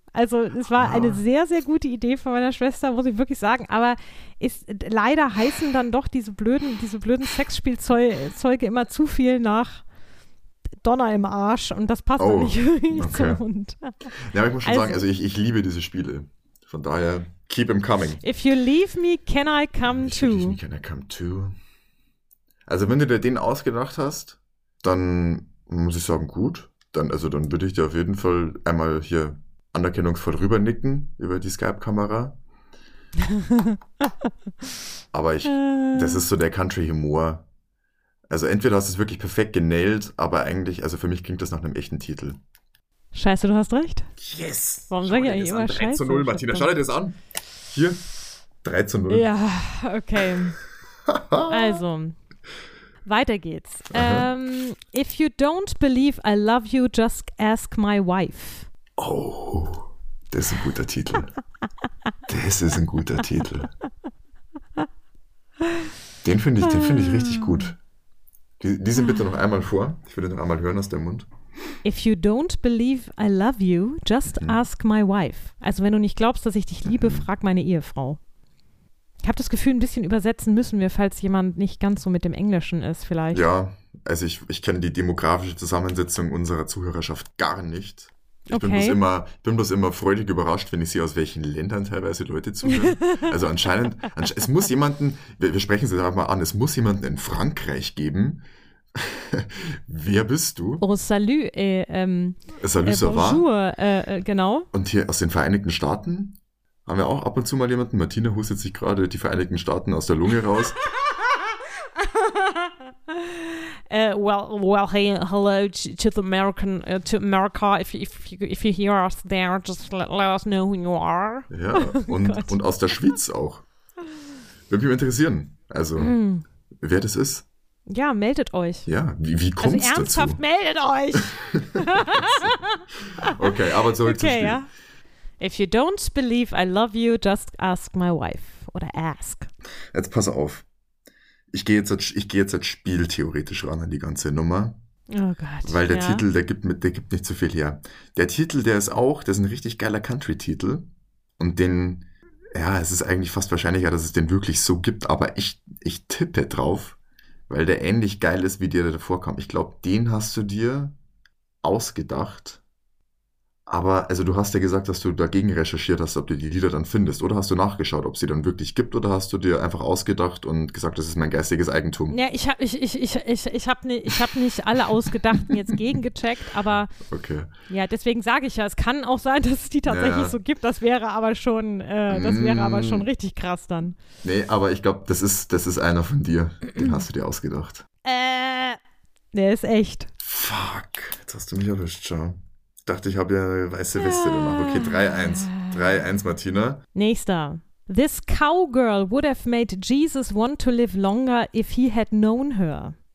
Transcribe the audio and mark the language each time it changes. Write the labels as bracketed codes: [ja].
[de] Also es war eine sehr, sehr gute Idee von meiner Schwester, muss ich wirklich sagen. Aber leider heißen dann doch diese blöden Sexspielzeuge immer zu viel nach Donner im Arsch. Und das passt doch nicht wirklich zum Hund. Ja, aber ich muss schon sagen, also ich liebe diese Spiele. Von daher, [en] keep him coming. If you leave me, can I come too? If you leave me, can I come too? [de] Also wenn du dir den ausgedacht hast, dann muss ich sagen, gut. Dann würde ich dir auf jeden Fall einmal hier anerkennungsvoll rübernicken über die Skype-Kamera. Aber das ist so der Country-Humor. Also entweder hast du es wirklich perfekt genailt, aber eigentlich, also für mich klingt das nach einem echten Titel. Scheiße, du hast recht. [en] Yes! [de] Warum sage ich eigentlich immer Scheiße? 3 zu 0, Martina, schau dir das an. Hier, 3 zu 0. Ja, okay. Also, weiter geht's. [en] If you don't believe I love you, just ask my wife. [de] Oh, das ist ein guter Titel. Das ist ein guter Titel. Den finde ich richtig gut. Lies ihn bitte noch einmal vor. Ich würde ihn noch einmal hören aus dem Mund. [en] If you don't believe I love you, just ask my wife. [de] Also wenn du nicht glaubst, dass ich dich liebe, frag meine Ehefrau. Ich habe das Gefühl, ein bisschen übersetzen müssen wir, falls jemand nicht ganz so mit dem Englischen ist vielleicht. Ja, also ich kenne die demografische Zusammensetzung unserer Zuhörerschaft gar nicht. Ich bin bloß immer freudig überrascht, wenn ich sehe, aus welchen Ländern teilweise Leute zuhören. Also anscheinend, es muss jemanden, wir sprechen es jetzt einfach mal an, es muss jemanden in Frankreich geben. Wer bist du? [fr] Oh, salut, salut, ça va? Bonjour, [de] genau. Und hier aus den Vereinigten Staaten haben wir auch ab und zu mal jemanden. Martina hustet sich gerade die Vereinigten Staaten aus der Lunge raus. [en] Well, hey, hello to the American, to America. If you hear us there, just let us know who you are. [de] Ja, und aus der Schweiz auch. Würde mich interessieren. Also, wer das ist? Ja, meldet euch. Ja, wie kommt es dazu? Also ernsthaft, meldet euch! Okay, aber zurück zum Spiel. Ja. [en] If you don't believe I love you, just ask my wife. [de] Oder ask. Jetzt pass auf. Ich gehe jetzt spieltheoretisch ran an die ganze Nummer. Oh Gott. Weil der Titel, der gibt nicht zu viel her. Der Titel, der ist ein richtig geiler Country-Titel. Und den, ja, es ist eigentlich fast wahrscheinlicher, dass es den wirklich so gibt. Aber ich tippe drauf, weil der ähnlich geil ist, wie dir der davor kam. Ich glaube, den hast du dir ausgedacht. Aber also du hast ja gesagt, dass du dagegen recherchiert hast, ob du die Lieder dann findest. Oder hast du nachgeschaut, ob sie dann wirklich gibt? Oder hast du dir einfach ausgedacht und gesagt, das ist mein geistiges Eigentum? Ja, ich hab nicht alle Ausgedachten jetzt gegengecheckt. Aber okay. Ja, deswegen sage ich ja, es kann auch sein, dass es die tatsächlich so gibt. Das wäre aber schon, das wäre aber schon richtig krass dann. Nee, aber ich glaube, das ist einer von dir. Den hast du dir ausgedacht. Der ist echt. Fuck, jetzt hast du mich erwischt, schau. Ich dachte, ich habe ja eine weiße Weste danach. Okay, 3-1. 3-1, Martina. Nächster. [en] This cowgirl would have made Jesus want to live longer if he had known her.